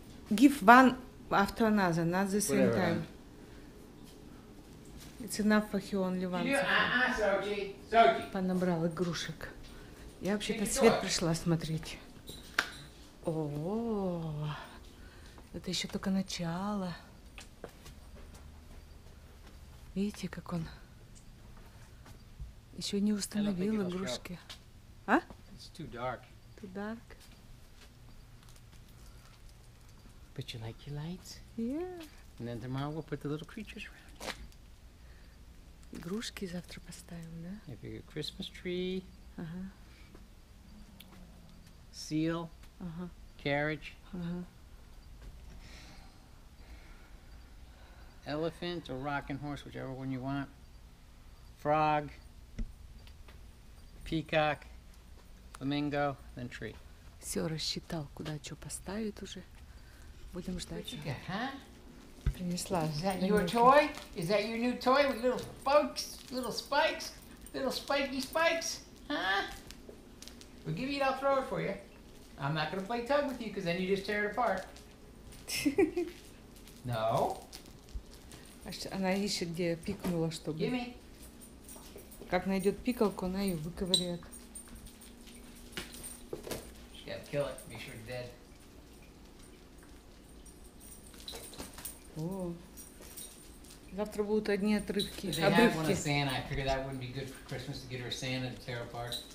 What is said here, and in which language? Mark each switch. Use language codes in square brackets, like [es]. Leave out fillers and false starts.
[en] Give one after another, not the same time. It's enough for him, only one. Sochi. [ru] Понабрал игрушек. Я вообще-то свет пришла смотреть. О, это еще только начало. Видите, как он... Еще не установил игрушки. А? [en] It's too dark. Too dark. But you like your lights? Yeah. And then tomorrow we'll put the little creatures around. [ru] Игрушки завтра поставим, да? [en] A big Christmas tree. Uh-huh. Seal. Uh-huh. Carriage. Uh-huh. Elephant or rocking horse, whichever one you want. Frog. Peacock. Flamingo, then tree. [ru] Все рассчитал, куда что поставит уже. Будем ждать. [en] What'd you get, huh? [ru] Принесла. [en] Is that your toy? Is that your new toy with little spokes, little spikes, little spiky spikes? Huh? We'll give you it, I'll throw it for you. I'm not gonna play tug with you because then you just tear it apart. No. [ru] Она ищет, где пикнула, чтобы... [en] Give me. [ru] Как найдет пикалку, она ее выковыряет. [en] Kill it. Make sure it's dead. Oh. [ru] Завтра будут одни отрывки. [en] They have one of Santa. I figured that wouldn't be good for Christmas to get her Santa to tear apart.